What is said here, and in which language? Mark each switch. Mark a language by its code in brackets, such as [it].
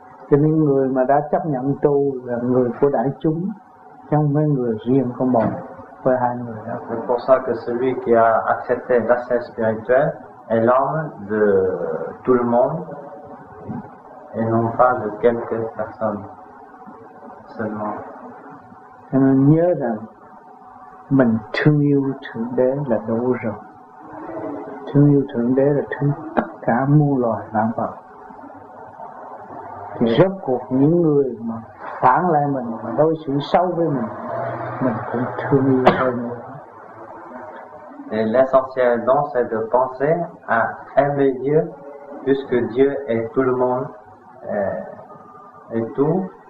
[vi] Cho nên người mà đã chấp nhận tu là người của đại chúng, trong mấy người riêng không bỏ với hai người đó. [fr] C'est pour ça que celui qui a accepté l'accès spirituel est l'homme de tout le monde et non pas de quelques personnes seulement. [vi] Cho nên nhớ rằng mình thương yêu Thượng Đế là đủ rồi. Thương yêu Thượng Đế là thương tất cả muôn loài vạn vật. Thì rốt cuộc những người mà phản lại mình, mà đối xử xấu với mình cũng thương yêu hơn. [fr] Et l'essentiel donc c'est de penser à aimer Dieu, puisque Dieu est tout le monde et tout.